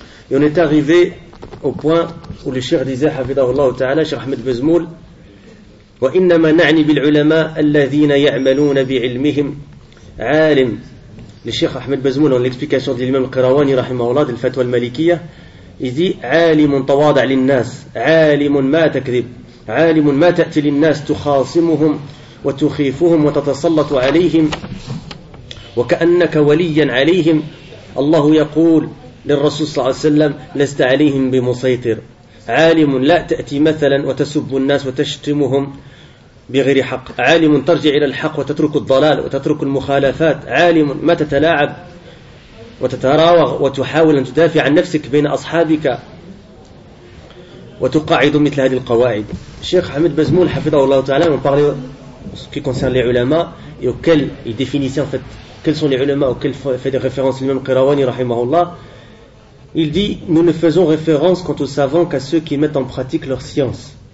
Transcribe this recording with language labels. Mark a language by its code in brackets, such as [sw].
[fr] Et on est arrivé au point où le Sheikh disait, hafidahullah ta'ala, Sheikh Ahmed Bazmoul, [ar] وإنما نعني بالعلماء الذين يعملون بعلمهم عالم. [fr] Le Sheikh Ahmed Bazmoul, dans l'explication de l'imam Qirawani rahimahullah, de la fatwa al-Malikiyya, il dit, [ar] عالم تواضع للناس، عالم ما تكذب، عالم ما تأتي للناس تخاصمهم وتخيفهم وتتسلط عليهم وكأنك وليا عليهم. الله يقول للرسول صلى الله عليه وسلم لست عليهم بمسيطر. عالم لا تأتي مثلا وتسب الناس وتشتمهم بغير حق، عالم ترجع إلى الحق وتترك الضلال وتترك المخالفات، عالم ما تتلاعب وتتراوغ وتحاول أن تدافع عن نفسك بين أصحابك وتقاعد مثل هذه القواعد. الشيخ حميد بزمول حفظه الله تعالى وقاله [fr] ce qui concerne les ulama et auxquels il définissait en fait quels sont les ulama auxquels fait des références l'imam Qirawani rahimahullah. Il dit, nous ne faisons référence quant aux savants qu'à ceux qui mettent en pratique leur science.